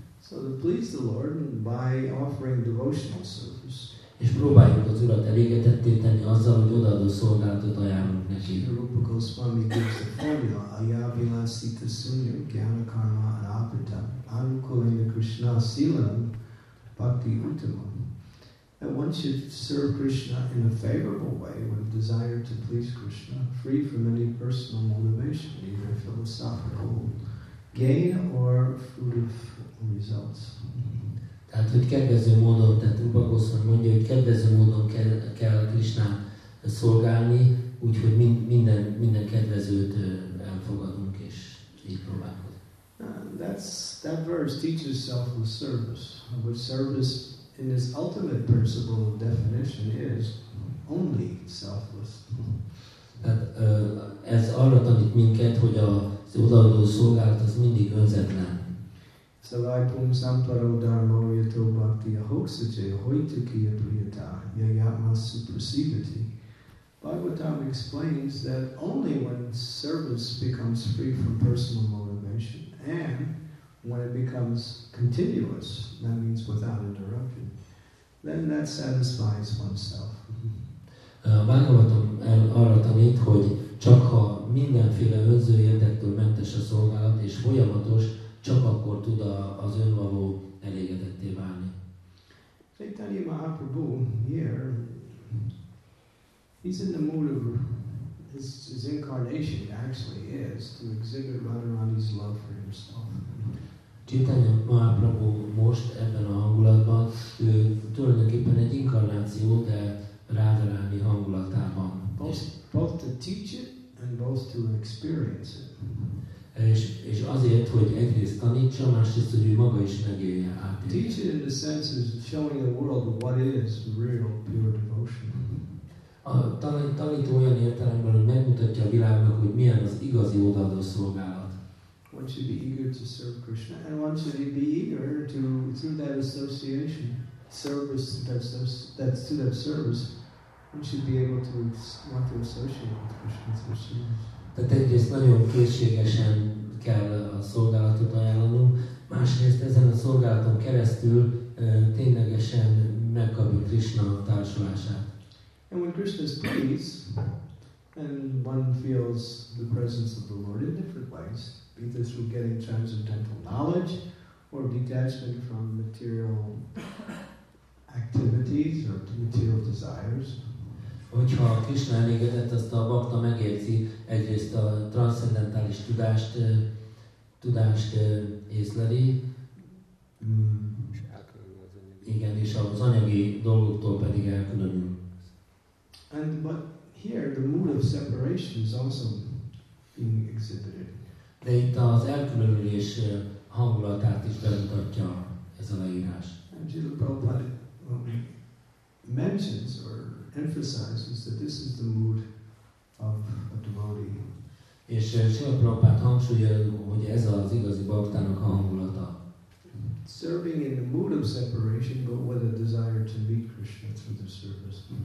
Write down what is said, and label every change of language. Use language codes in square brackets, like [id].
[en] So to please the Lord by offering devotional service. [hu] És próbáljuk az Urat elégedetté tenni azzal, hogy odaadó szolgálatot ajánlunk neki. [en] Sri Rupa Goswami gives the formula [sa] Ayabhilasita Sunya Gyana Karma Anapita Anukulina Krishna Silam Bhakti Uttama. [en] That one should serve Krishna in a favorable way with a desire to please Krishna, free from any personal motivation, either philosophical gain or fruitive results. [hu] Tehát, hogy kedvező módon, tehát Rupa Goswami mondja, hogy kedvező módon kell Krishnát szolgálni, úgyhogy minden kedvezőt elfogadunk és így próbálkozunk. [en] That verse teaches selfless service, which service in its ultimate principle of definition is only selfless. [hu] Tehát ez arra tanít minket, hogy az odaadó szolgálat az mindig önzetlen. [sa] Szalajpum samparo dharma yato bhakti ahoksuche hoitukiya priyata yayatma supersivati. [en] Bhagavatam explains that only when service becomes free from personal motivation and when it becomes continuous, that means without interruption, then that satisfies oneself. [hu] Bhagavatam arra tanít, hogy csak ha mindenféle önző érdektől mentes a szolgálat és folyamatos, csak akkor tud az önvaló elégedetté válni. [en] Chaitanya Mahaprabhu here, he's in the mood of his incarnation actually is to exhibit Radharani's love for himself. [hu] Chaitanya Mahaprabhu most ebben a hangulatban ő tulajdonképpen egy inkarnáció, de Radharani hangulatában. [en] Both to teach it and both to experience it. [hu] És azért, hogy egyrészt tanítsa, másrészt, hogy ő maga is megélje át. [en] Teach it in the sense of showing the world what is real pure devotion. [hu] Tanít olyan értelemben, hogy megmutatja a világnak, hogy milyen az igazi odaadó szolgálat. [en] One should be eager to serve Krishna, and one should be eager to, through that association, service, that's to that service, one should be able to want to associate with Krishna's service. [hu] Tehát egyrészt nagyon készségesen kell a szolgálatot ajánlanunk, másrészt ezen a szolgálaton keresztül ténylegesen megkapjuk Krishna társulását. [en] And when Krishna is pleased, then one feels the presence of the Lord in different ways, either through getting transcendental knowledge or detachment from material activities or material desires. [hu] Hogyha a Krishna elégedett, azt a bhakta megérzi egyrészt a transzcendentális tudást észleli, igen, és az anyagi dolgoktól pedig elkülönül. [en] And but here the mood of separation is also being exhibited. [hu] De itt az elkülönülés hangulatát is bemutatja ez a leírás. [en] And Srila Prabhupada mentions or emphasizes that this is the mood of a devotee. [hu] És Srila Prabhupada hangsúlyozza, hogy ez az igazi baktának a hangulata. [en] Serving in the mood of separation, but with a desire to meet Krishna through the service.